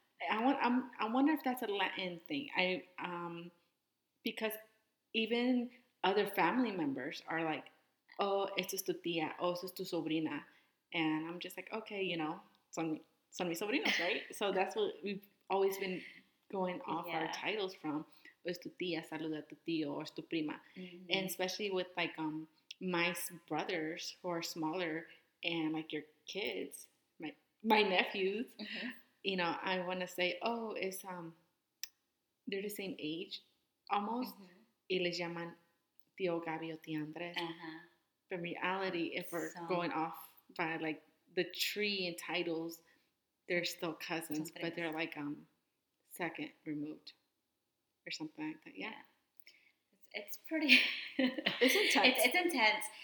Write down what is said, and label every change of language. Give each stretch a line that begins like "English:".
English: I wonder if that's a Latin thing. Because even other family members are like, oh,
Spanish: esto es tu tía. Oh, esto es tu sobrina.
English: And I'm just like, okay, you know,
Spanish: son mis sobrinos,
English: right? So that's what we've always been going off our titles from.
Spanish: Es tu tía, saluda a tu tío,
English: or
Spanish: es tu prima. Mm-hmm.
English: And especially with like my brothers who are smaller and like your kids, my nephews, mm-hmm. you know, I want to say, oh, it's they're the same age almost. Mm-hmm.
Spanish: Y les llaman tío Gabi o tío Andrés. Uh-huh.
English: But in reality, if we're going off by like the tree and titles, they're still cousins, Sombrés. But they're like second removed. Or something like that. Yeah. It's pretty. It's intense. It's intense.